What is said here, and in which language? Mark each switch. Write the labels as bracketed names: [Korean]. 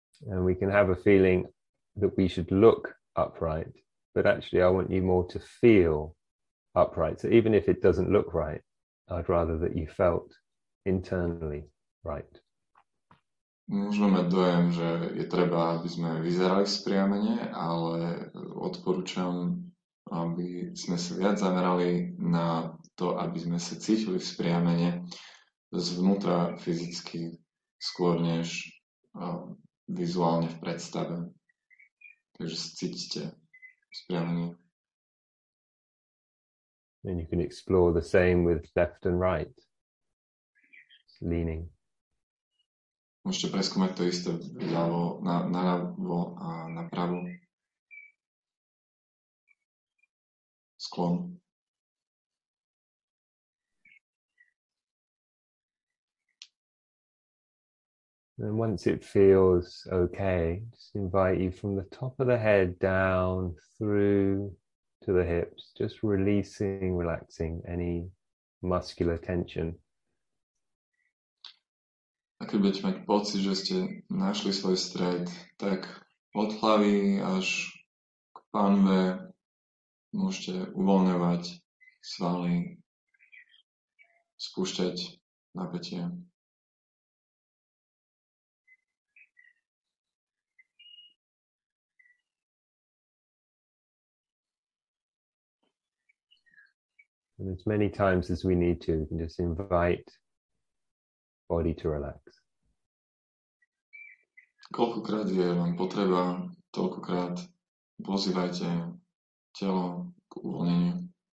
[English] And we can have a feeling that we should look upright, but actually I want you more to feel upright. So even if it doesn't look right, I'd rather that you felt internally right. [Slovak] Môžeme mať dojem, že je treba, aby sme vyzerali spriamene, ale odporúčam, aby sme sa viac zamerali na to, aby sme sa cítili spriamene zvnútra fyzicky, skôr než vizuálne v predstave. Takže sa cítite spriamene. [English] And you can explore the same with left and right. Leaning. [Slovak] Môžete preskúmať to isté ľavo, na ľavo a na pravo. Sklon. [English] And once it feels okay, just invite you from the top of the head down through to the hips, just releasing, relaxing any muscular tension. [Slovak] Ak budete mať pocit, že ste našli svoj stred, tak od hlavy až k panve môžete uvoľňovať svaly, spúšťať napätie. [English] And as many times as we need to, we can just invite body to relax. [Slovak] Koľkokrát je vám potreba, toľkokrát pozývajte telo k uvoľneniu.